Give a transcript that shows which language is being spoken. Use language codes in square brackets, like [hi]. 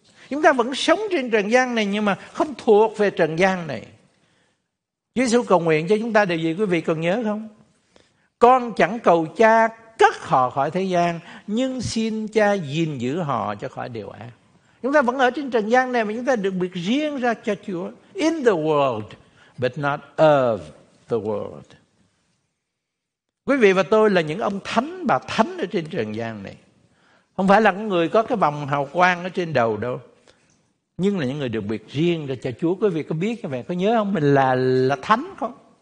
[vi] Chúng ta vẫn sống trên trần gian này nhưng mà không thuộc về trần gian này. Chúa Giê-xu cầu nguyện cho chúng ta điều gì quý vị còn nhớ không? Con chẳng cầu cha cất họ khỏi thế gian, nhưng xin cha gìn giữ họ cho khỏi điều ác. Chúng ta vẫn ở trên trần gian này mà chúng ta được biệt riêng ra cho Chúa. [en] In the world, but not of the world. [vi] Quý vị và tôi là những ông thánh, bà thánh ở trên trần gian này. Không phải là những người có cái vòng hào quang ở trên đầu đâu. Nhưng là những người được biệt riêng ra cho Chúa. Quý vị có biết các bạn có nhớ không? Mình là thánh không?